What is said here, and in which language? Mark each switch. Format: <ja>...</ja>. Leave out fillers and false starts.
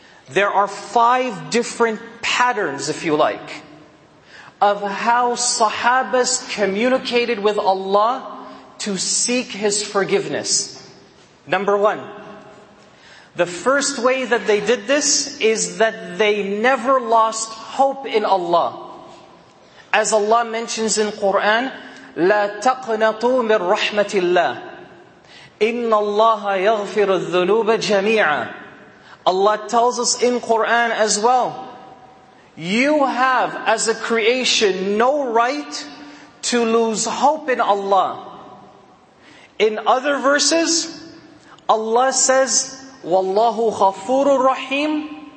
<en>There are five different patterns, if you like, of how sahabas communicated with Allah to seek His forgiveness. Number one. The first way that they did this is that they never lost hope in Allah. As Allah mentions in Quran,</en> <ar>لَا تَقْنَطُوا مِن رَحْمَةِ اللَّهِ إِنَّ اللَّهَ يَغْفِرُ الذُّنُوبَ جَمِيعًا.</ar> <en>Allah tells us in Quran as well, you have as a creation no right to lose hope in Allah. In other verses, Allah says,</en> <ar>وَاللَّهُ غَفُورٌ رَحِيمٌ.</ar>